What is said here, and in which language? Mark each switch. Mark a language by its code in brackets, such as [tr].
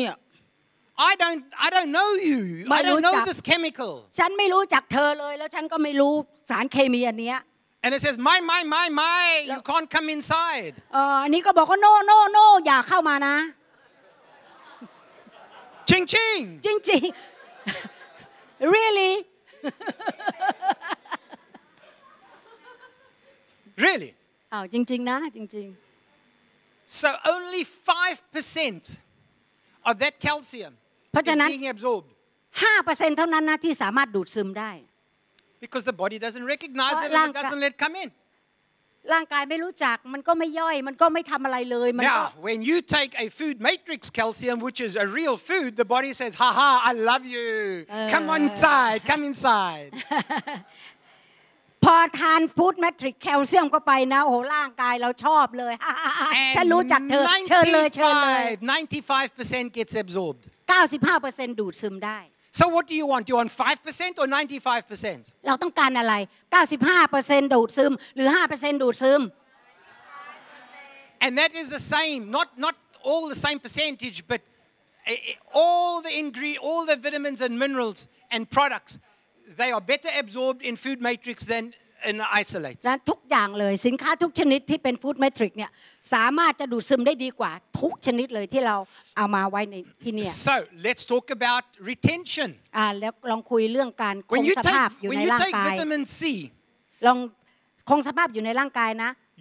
[en] I don't know you I don't know this chemical [th] ฉันไม่รู้จักเธอเลยแล้วฉันก็ไม่รู้สารเคมีอันเนี้ย [en] and it says my you can't come inside [th] อันนี้ก็บอกว่า [en] no [th] อย่าเข้ามานะ ching ching ching ching [en] really really [th] อ้าวจริงๆนะจริง [en] ๆ so only 5% of that calcium is being absorbed [th] 5% เท่านั้นนะที่สามารถดูดซึมได้ [en] because the body doesn't recognize it and doesn't let come in [th] ร่างกายไม่รู้จักมันก็ไม่ย่อยมันก็ไม่ทําอะไรเลยมันก็ [en] Now when you take a food matrix calcium which is a real food the body says ha ha I love you come inside [th] พอทานฟู้ดแมทริกซ์แคลเซียมเข้าไปนะโอ้โหร่างกายเราชอบเลยฉันรู้จักเธอเชิญเลยเชิญเลย [en] 95% gets absorbed [th] 95% ดูดซึมได้ [en] So what do you want 5% or 95% [th] เราต้องการอะไร 95% ดูดซึมหรือ 5% ดูดซึม [en] And that is the same not all the same percentage but all the ingredients all the vitamins and minerals and products they are better absorbed in food matrix than in isolate [th] นะทุกอย่างเลยสินค้าทุกชนิดที่เป็น food matrix เนี่ยสามารถจะดูดซึมได้ดีกว่าทุกชนิดเลยที่เราเอามาไว้ในที่นี่ [en] So let's talk about retention [th] แล้วลองคุยเรื่องการคงสภาพอยู่ในร่างกาย [en] When you take vitamin C [th] ลองคงสภาพอยู่ในร่างกายนะ